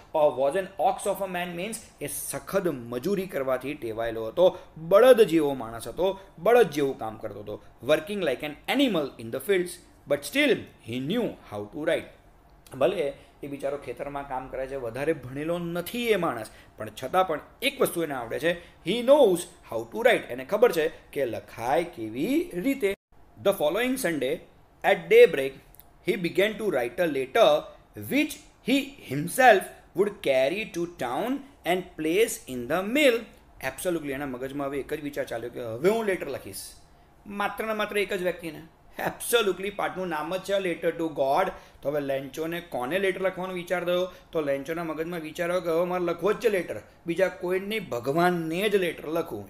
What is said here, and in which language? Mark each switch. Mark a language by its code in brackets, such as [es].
[en] was an ox of a man [gu] means એ સખત મજૂરી કરવાથી ટેવાયેલો હતો, બળદ જેવો માણસ હતો, બળદ જેવું કામ કરતો હતો. [en] Working like an animal in the fields, but still he knew how to write. [gu] ભલે એ બિચારો ખેતરમાં કામ કરે છે, વધારે ભણેલો નથી એ માણસ, પણ છતાં પણ એક વસ્તુ એને આવડે છે, [en] He knows how to write. [gu] એને ખબર છે કે લખાય કેવી રીતે. [en] The following Sunday At daybreak, he began to write a letter which he himself would carry to town and place in the mail. Absolutely. [gu] એના મગજમાં હવે એક જ વિચાર ચાલ્યો કે હવે હું લેટર લખીશ, માત્ર ને માત્ર એક જ વ્યક્તિને. એબ્સોલ્યુટલી. પાઠનું નામ જ છે લેટર ટુ ગોડ. તો હવે લેન્ચોને કોને લેટર લખવાનો વિચાર થયો? તો લેન્ચોના મગજમાં વિચાર આવ્યો કે હવે મારે લખવો જ છે લેટર, બીજા કોઈને નહીં, ભગવાનને જ લેટર લખું.